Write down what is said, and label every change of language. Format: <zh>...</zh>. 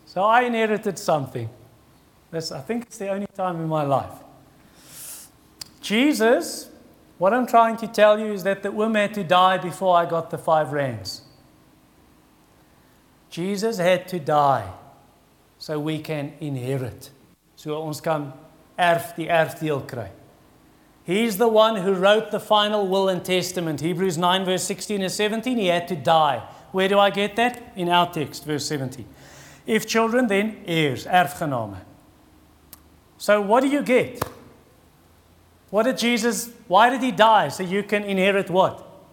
<en>So I inherited something. I think it's the only time in my life. Jesus, what I'm trying to tell you is that the woman had to die before I got the R5. Jesus had to die so we can inherit.</en> <af>So ons kan erf die erfdeel kry.</af> <en>He's the one who wrote the final will and testament. Hebrews 9, verse 16 and 17, he had to die. Where do I get that? In our text, verse 17. If children, then heirs, erfgename. So what do you get? What did Jesus, why did he die? So you can inherit what?</en>